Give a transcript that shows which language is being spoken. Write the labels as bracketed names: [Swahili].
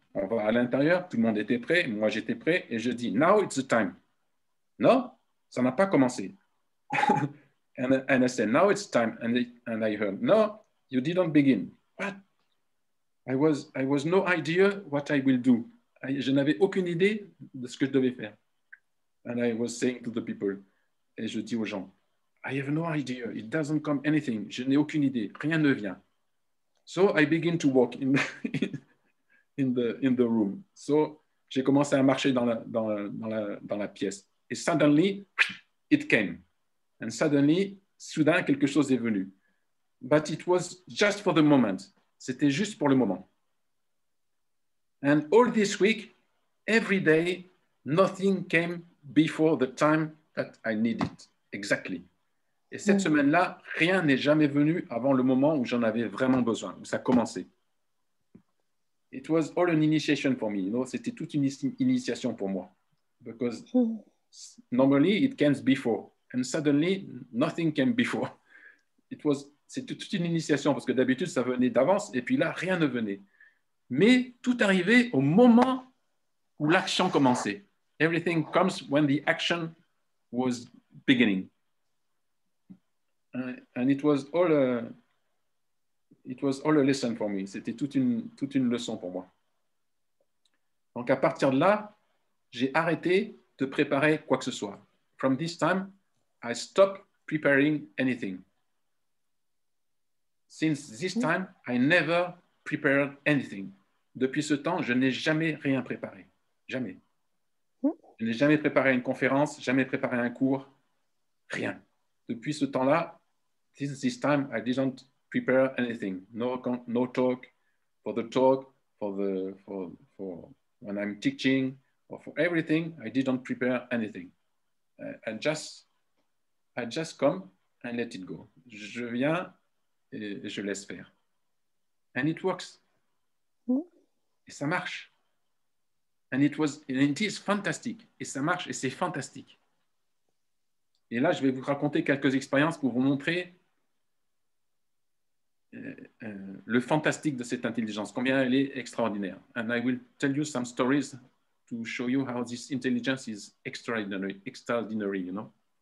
[French] On va à l'intérieur. Tout le monde était prêt. Moi, j'étais prêt. Et je dis, [English] now it's the time. No, [French] ça n'a pas commencé. [English] and I said, now it's time. And I heard, no, you didn't begin. What? I was no idea what I will do. [French] Je n'avais aucune idée de ce que je devais faire. [English] And I was saying to the people, [French] et je dis aux gens, [English] I have no idea, it doesn't come anything. [French] Je n'ai aucune idée, rien ne vient. [English] So I begin to walk in the room. [French] So j'ai commencé à marcher dans la pièce. [English] And suddenly, it came. And suddenly, [French] soudain, quelque chose est venu. [English] But it was just for the moment. [French] C'était juste pour le moment. [English] And all this week, every day, nothing came before the time that I needed. Exactly. [French] Et cette semaine-là, rien n'est jamais venu avant le moment où j'en avais vraiment besoin, où ça commençait. [English] It was all an initiation for me. You know, [French] c'était toute une initiation pour moi. [English] Because normally, it comes before. And suddenly, nothing came before. [French] C'est toute une initiation parce que d'habitude ça venait d'avance et puis là rien ne venait. Mais tout arrivait au moment où l'action commençait. [English] Everything comes when the action was beginning. And it was all a lesson for me. [French] C'était toute une leçon pour moi. Donc à partir de là, j'ai arrêté de préparer quoi que ce soit. [English] From this time, I stopped preparing anything. Since this time, I never prepared anything. [French] Depuis ce temps, je n'ai jamais rien préparé. Jamais. Je n'ai jamais préparé une conférence, jamais préparé un cours, rien. Depuis ce temps-là, [English] since this time, I didn't prepare anything. No talk for the talk, for when I'm teaching, or for everything, I didn't prepare anything. I just come and let it go. [French] Je viens et je laisse faire. [English] And it works. [French] Et ça marche. [English] And it is fantastic. [French] Et ça marche et c'est fantastique. Et là, je vais vous raconter quelques expériences pour vous montrer le fantastique de cette intelligence, combien elle est extraordinaire. [English] And I will tell you some stories to show you how this intelligence is extraordinary, extraordinary, you know.